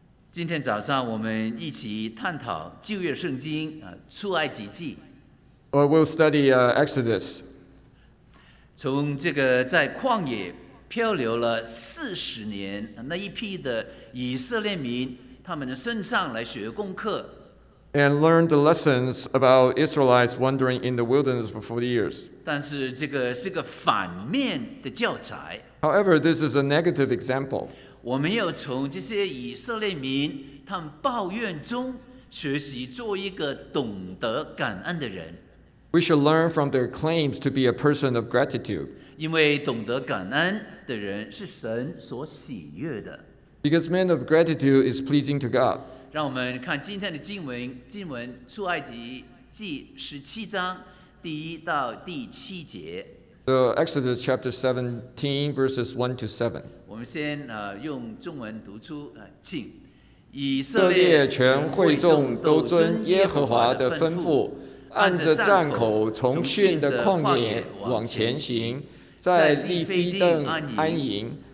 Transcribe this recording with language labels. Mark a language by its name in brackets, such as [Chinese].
[Chinese] 今天早上我们一起探讨旧约圣经出埃及记。 [English] We'll study Exodus. [Chinese] 从这个在旷野漂流了四十年那一批的以色列民，他们的身上来学功课。 [English] And learn the lessons about Israelites wandering in the wilderness for 40 years. [Chinese] 但是这个是个反面的教材。 [English] However, this is a negative example. [Chinese] 我们要从这些以色列民他们抱怨中学习做一个懂得感恩的人。 [English] We should learn from their claims to be a person of gratitude. [Chinese] 因为懂得感恩的人是神所喜悦的。 [English] Because men of gratitude is pleasing to God. [Chinese] 让我们看今天的经文，经文出埃及记十七章第一到第七节。 [English] So Exodus chapter 17 verses 1 to 7。 [Chinese] 我们先用中文读出请以色列全会众都遵耶和华的吩咐，按着帐口从逊的旷野往前行，在利非顿安营。